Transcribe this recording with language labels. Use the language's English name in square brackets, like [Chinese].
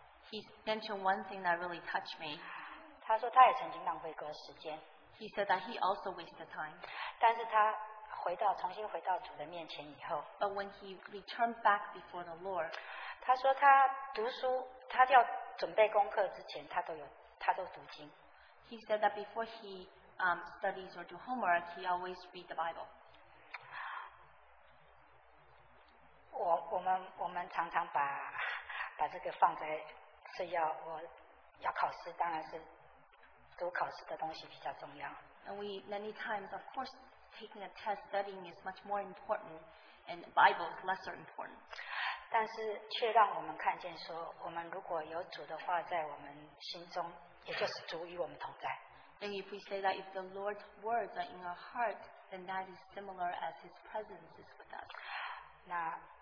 [English] He mentioned one thing that really touched me. [Chinese] 他说他也曾经浪费过时间, [English] he said that he also wasted time. [Chinese] 但是他重新回到主的面前以后, [English] but when he returned back before the Lord, [Chinese] 他说他读书,他要准备功课之前,他都读经。 [English] He said that before he studies or do homework, he always read the Bible. [Chinese] 我们常常把这个放在是要考试，当然是读考试的东西比较重要。 [English] And we many times, of course, taking a test, studying is much more important, and Bible is lesser important. [Chinese] 但是却让我们看见说，我们如果有主的话在我们心中。 [English] And if we say that if the Lord's words are in our heart, then that is similar as His presence is with us.